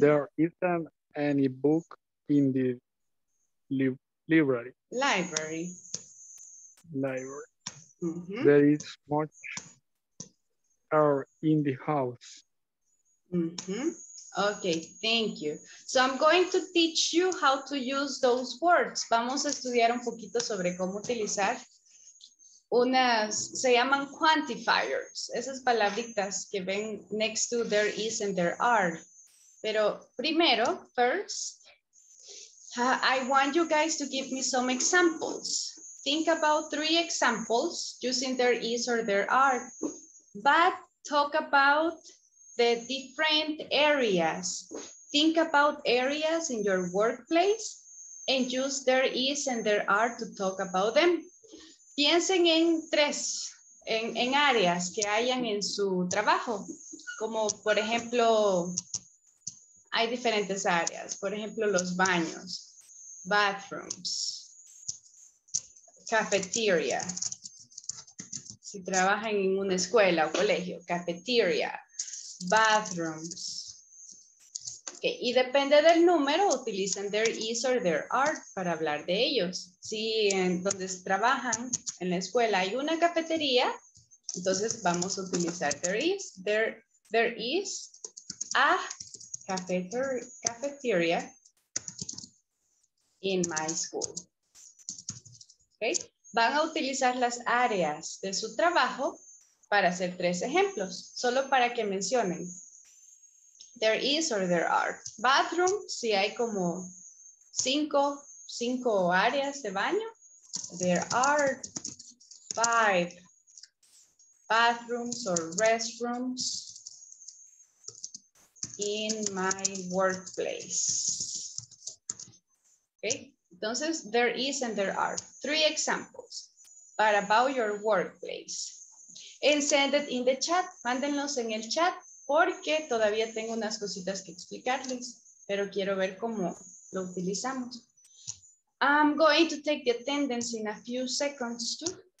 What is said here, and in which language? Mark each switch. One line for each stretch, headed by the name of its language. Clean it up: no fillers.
English: There isn't any book in the library. Library. Library. Mm-hmm. There is much air in the house. Mm-hmm. Okay, thank you. So I'm going to teach you how to use those words.
Spanish: Vamos a estudiar un poquito sobre cómo utilizar. Unas, se llaman quantifiers, esas palabritas que ven
English: next to there is and there are.
Spanish: Pero primero,
English: first, I want you guys to give me some examples. Think about three examples using there is or there are, but talk about the different areas. Think about areas in your workplace and use there is and there are to talk about them.
Spanish: Piensen en tres, en áreas que hayan en su trabajo, como por ejemplo, hay diferentes áreas, por ejemplo, los baños, bathrooms, cafeteria, si trabajan en una escuela o colegio, cafeteria, bathrooms, okay. Y depende del número, utilizan
English: there is or there are
Spanish: para hablar de ellos. Si en donde trabajan en la escuela hay una cafetería, entonces vamos a utilizar
English: there is a cafeteria in my school.
Spanish: Okay. Van a utilizar las áreas de su trabajo para hacer tres ejemplos, solo para que mencionen.
English: There is or there are. Bathroom,
Spanish: si hay como cinco áreas de baño.
English: There are five bathrooms or restrooms in my workplace. Okay, entonces there is and there are. Three examples. But about your workplace. And send it in the chat.
Spanish: Mándenlos en el chat. Porque todavía tengo unas cositas que explicarles, pero quiero ver cómo lo utilizamos.
English: I'm going to take the attendance in a few seconds too.